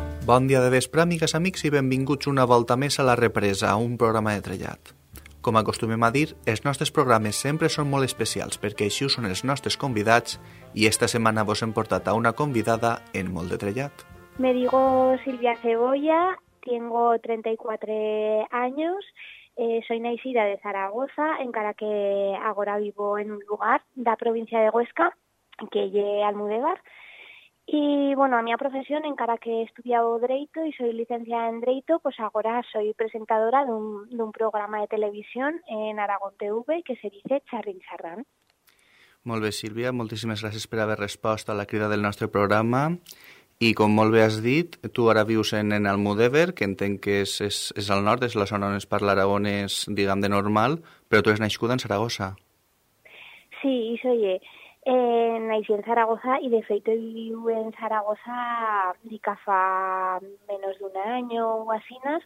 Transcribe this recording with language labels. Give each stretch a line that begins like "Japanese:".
Catalan: Bon dia de vespre, amigues, amics, i benvinguts una volta més a La Represa, un programa de trellat. Com acostumem a dir, els nostres programes sempre són molt especials perquè així ho són els nostres convidats i esta setmana vos hem portat a una convidada en molt de trellat.
Spanish: Me digo Silvia Cebolla, tengo 34 años, soy nacida de Zaragoza, encara que ahora vivo en un lugar de la provincia de Huesca, que es Almudévar. Y bueno, a mi profesión, encara que he estudiado Dreito y soy licenciada en Dreito, pues ahora soy presentadora de un programa de televisión en Aragón TV que se dice Charrín Charrán.
Catalan: Molt bé, Silvia, moltíssimes gràcies per haver respost a la crida del nostre programa. I com molt bé has dit, tu ara vius en Almudévar, que entenc que és al nord, és la zona on es parla aragonès, diguem, de normal, però tu has nascut en Saragossa. Sí, això hi és. Nací en Saragossa i, de fet, viu en Saragossa que fa menys d'un any o així.